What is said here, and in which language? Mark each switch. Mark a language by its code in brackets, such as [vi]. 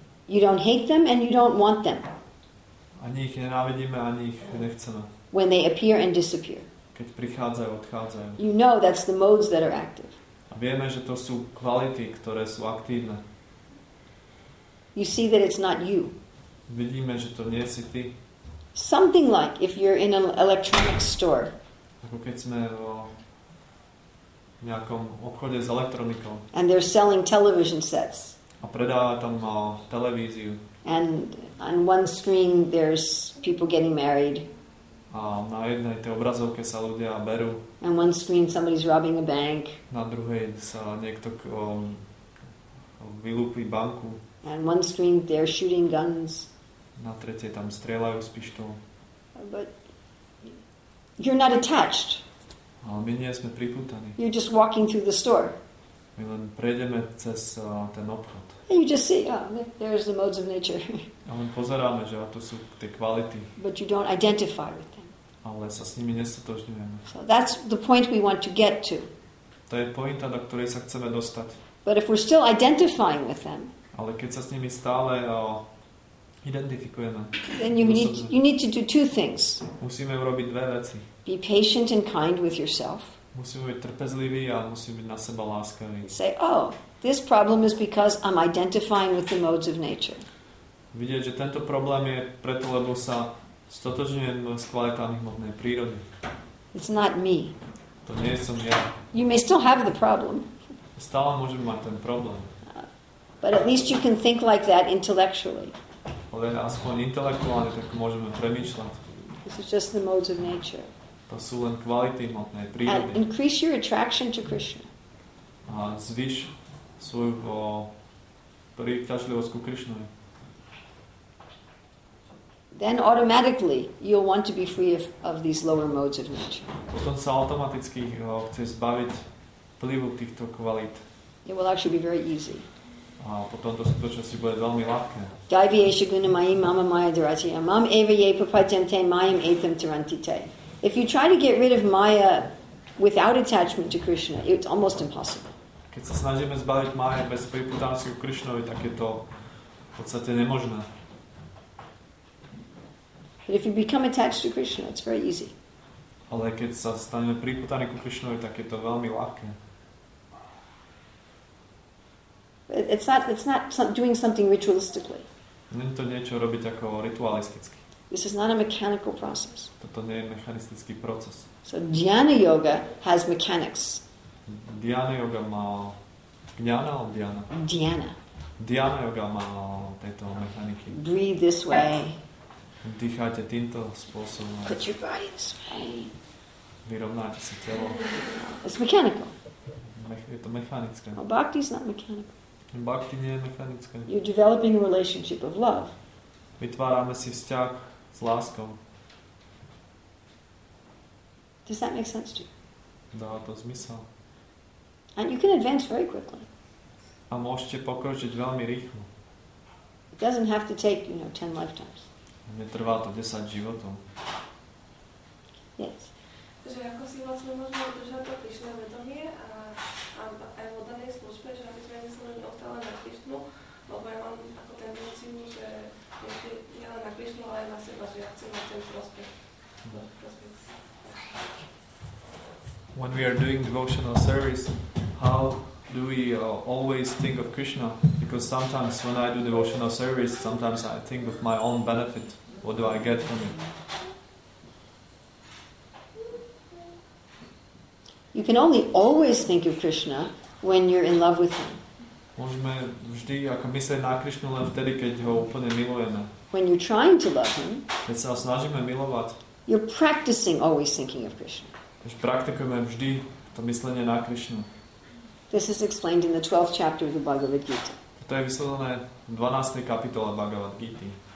[en] You don't hate them and you don't want them. [sk] Ani ich nenávidíme, ani ich nechceme. [en] when they appear and disappear. [sk] Keď prichádzajú, odchádzajú. [en] You know that's the modes that are active. [sk] A vieme, že to sú kvality, ktoré sú aktívne. [en] You see that it's not you. [sk] Vidíme, že to nie si ty. [en] Something like if you're in an electronics store. [sk] Ako keď sme vo nejakom obchode s elektronikou. [en] And they're selling television sets. [sk] A predáva tam televíziu. [en] And on one screen there's people getting married. [sk] A na jednej tej obrazovke sa ľudia berú. [en] And one screen somebody's robbing a bank. [sk] Na druhej sa niekto vylúpi banku. [en] And one screen they're shooting guns. [sk] Na tretej tam strieľajú z pištoľ. [en] But you're not attached. [sk] Ale my nie sme pripútaní. [en] You're just walking through the store. [sk] My len prejdeme cez ten obchod. [en] And you just see, there's the modes of nature. [sk] A len pozeráme, že to sú tie kvality. [en] But you don't identify with them. [sk] Ale sa s nimi nestotožňujeme. [en] So that's the point we want to get to. [sk] To je pointa, do ktorej sa chceme dostať. [en] But if we're still identifying with them, [sk] ale keď sa s nimi stále identifikujeme, [en] then you need to do two things. [sk] Musíme urobiť dve veci. [en] Be patient and kind with yourself. [sk] Musíme byť trpezliví a musíme byť na seba láskaví. [en] Say, oh, this problem is because I'm identifying with the modes of nature. [sk] Vidieť, že tento problém je preto, lebo sa stotožňujem s kvalitami hmotnej prírody. [en] It's not me. [sk] To nie som ja. [en] You may still have the problem. [sk] Stále môžem mať ten problém. [en] But at least you can think like that intellectually. [sk] Ale aspoň intelektuálne tak môžeme premýšľať. [en] This is just the modes of nature. [sk] To sú len kvality hmotnej prírody. [en] And increase your attraction to Krishna. [sk] A zvýš svoju príťažlivosť ku Krishnovi. [en] Then automatically you'll want to be free of these lower modes of nature. [sk] Potom sa automaticky chceš zbaviť vplyvu týchto kvalít. [en] It will actually be very easy. [sk] A potom to skutočnosti bude veľmi ľahké. [sa] Daivieša guna mayim mama maya dharatiya mam eva ye papajante mayim etam tarantite. [en] If you try to get rid of maya without attachment to Krishna, it's almost impossible. [sk] Keď sa snažíme zbaviť maya bez pripútanosti k Krishnovi, tak je to v podstate nemožné. [en] But if you become attached to Krishna, it's very easy. [sk] Ale keď sa staneme pripútaní k Krishnovi, tak je to veľmi ľahké. [en] It's not doing something ritualistically. [sk] Není to niečo robiť ako ritualisticky. [en] This is not a mechanical process. [sk] Toto nie je mechanistický proces. [en] So Dhyana yoga has mechanics. [sk] Dhyana yoga má gňana alebo dhyana? Dhyana. Dhyana yoga má tieto mechaniky. [en] Breathe this way. [sk] Dýchajte týmto spôsobom. [en] Put your body this way. [sk] Vyrovnáte si telo. [en] It's mechanical. [sk] Je to mechanické. [en] Well, bhakti is not mechanical. [sk] Bhakti nie je mechanické. [en] You're developing a relationship of love. [sk] Vytvárame si vzťah s láskou. [en] Does that make sense to you? [sk] Dáva to zmysel. [en] And you can advance very quickly. [sk] A môžete pokročiť veľmi rýchlo. [en] It doesn't have to take, 10 lifetimes. [sk] Netrvá to 10 životov. [en] Yes. [sk] Takže ako si vlastne možno udržať to Krišné vedomie a vodanej službe, že aby sme nesmeli neostále na Krišnu, lebo ja mám ako tendenciu, že ešte nie na Krišnu, ale aj na seba, že ja chcem mať ten prospech. [en] When we are doing devotional service, how do we always think of Krishna? Because sometimes when I do devotional service, sometimes I think of my own benefit. What do I get from it? You can only always think of Krishna when you're in love with him. [sk] Môžeme vždy ako myslieť na Krishnu len vtedy, keď ho úplne milujeme. [en] When you're trying to love him, [sk] keď sa snažíme milovať, [en] you're practicing always thinking of Krishna. [sk] Takže praktikujeme vždy to myslenie na Krishnu. [en] This is explained in the 12th chapter of the Bhagavad Gita. [sk] To je vysvetlené v 12. kapitole Bhagavad Gita.